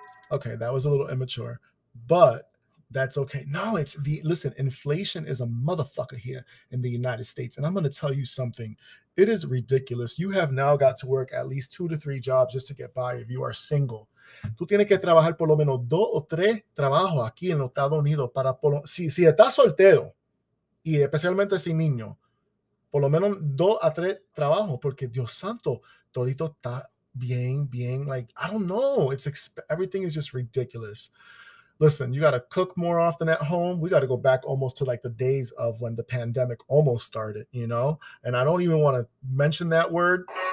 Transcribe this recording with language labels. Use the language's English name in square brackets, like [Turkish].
[English] Okay, that was a little immature, but that's okay. No, inflation is a motherfucker here in the United States, and I'm going to tell you something. It is ridiculous. You have now got to work at least 2 to 3 jobs just to get by if you are single. [Spanish] Tú tienes que trabajar por lo menos 2 o 3 trabajos aquí en los Estados Unidos para por si estás soltero, y especialmente sin niño. Por lo menos 2 a 3 trabajos, porque Dios santo, todito está bien, bien. [English] Like, I don't know. Everything is just ridiculous. Listen, you got to cook more often at home. We got to go back almost to like the days of when the pandemic almost started, you know? And I don't even want to mention that word.